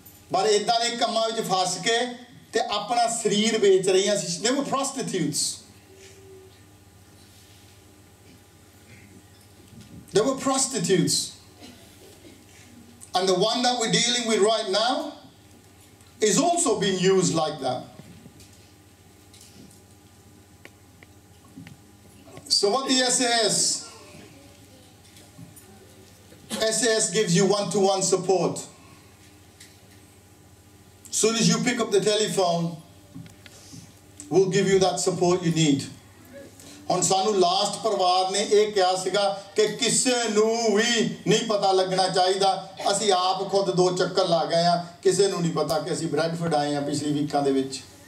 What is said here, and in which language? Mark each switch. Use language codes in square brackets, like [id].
[pa] ਪਰ ਇੱਦਾਂ ਦੇ ਕੰਮਾਂ ਵਿੱਚ ਫਸ ਕੇ ਅਤੇ ਆਪਣਾ ਸਰੀਰ ਵੇਚ ਰਹੀਆਂ ਸੀ [en] They were prostitutes they were prostitutes and the one that we dealing with right now is also been used like that So what the SAS? SAS gives you one-to-one support. Soon as you pick up the telephone, will give you that support you need. [pa] ਹੁਣ ਸਾਨੂੰ last ਪਰਿਵਾਰ ਨੇ ਇਹ ਕਿਹਾ ਸੀਗਾ ਕਿ ਕਿਸੇ ਨੂੰ ਵੀ ਨਹੀਂ ਪਤਾ ਲੱਗਣਾ ਚਾਹੀਦਾ ਅਸੀਂ ਆਪ ਖੁਦ ਦੋ ਚੱਕਰ ਲਾ ਗਏ ਆ ਕਿਸੇ ਨੂੰ ਨਹੀਂ ਪਤਾ ਕਿ ਅਸੀਂ ਬ੍ਰੈਡਫੋਰਡ ਆਏ ਆ ਪਿਛਲੀ ਵੀਕਾਂ ਦੇ ਵਿੱਚ